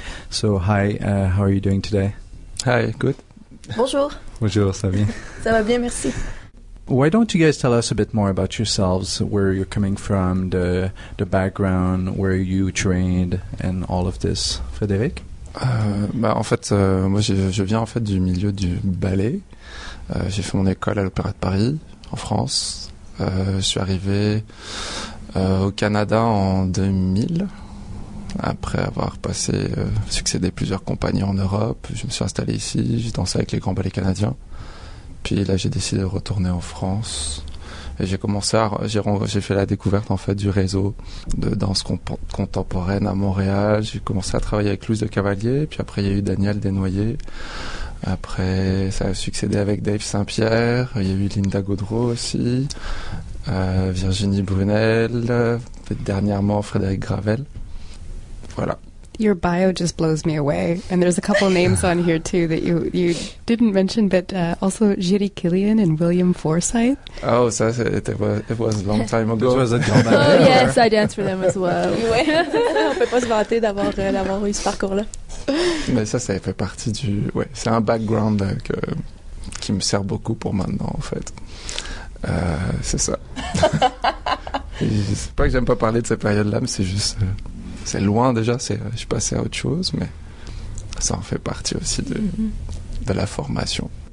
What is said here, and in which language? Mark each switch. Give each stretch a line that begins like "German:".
English: So, hi, how are you doing today? Hi, good.
French: Bonjour. Bonjour, ça va bien? Ça va bien, merci.
English: Why don't you guys tell us a bit more about yourselves, where you're coming from, the background, where you trained, and all of this, Frédéric?
French: Moi, je viens en fait du milieu du ballet. J'ai fait mon école à l'Opéra de Paris, en France. Je suis arrivé au Canada en 2000, après avoir passé, succédé plusieurs compagnies en Europe. Je me suis installé ici, j'ai dansé avec les grands ballets canadiens. Puis là, j'ai décidé de retourner en France. Et j'ai fait la découverte en fait, du réseau de danse contemporaine à Montréal. J'ai commencé à travailler avec Louise de Cavalier, puis après, il y a eu Daniel Desnoyers. Après, ça a succédé avec Dave Saint-Pierre, il y a eu Linda Gaudreau aussi, Virginie Brunel, dernièrement Frédéric Gravel. Voilà.
English: Your bio just blows me away. And there's a couple names on here too that you didn't mention, but also Jiri Killian and William Forsythe. Oh, so it was a long time ago. It was a long time ago. Oh, yes, I danced for them as well.
French: On peut pas se vanter d'avoir eu ce parcours-là. Mais ça fait partie du... Ouais, c'est un background qui me sert beaucoup pour maintenant, en fait. C'est ça. C'est pas que j'aime pas parler de ces périodes-là, mais c'est juste... C'est loin déjà, je suis passé à autre chose, mais ça en fait partie aussi de la formation.